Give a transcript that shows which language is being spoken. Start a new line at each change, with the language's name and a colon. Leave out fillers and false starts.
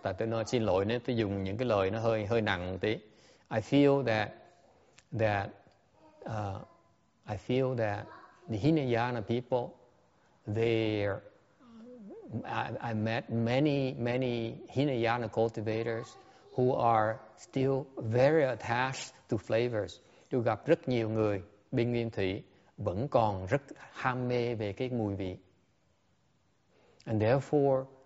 Vietnamese: Tại tôi nói xin lỗi nếu tôi dùng những cái lời nó hơi nặng một tí.
English: I feel that the Hinayana people, I met many Hinayana cultivators who are still very attached to flavors.
Vietnamese: Tôi gặp rất nhiều người bên Nguyên Thủy vẫn còn rất ham mê về cái mùi vị.
English: And therefore,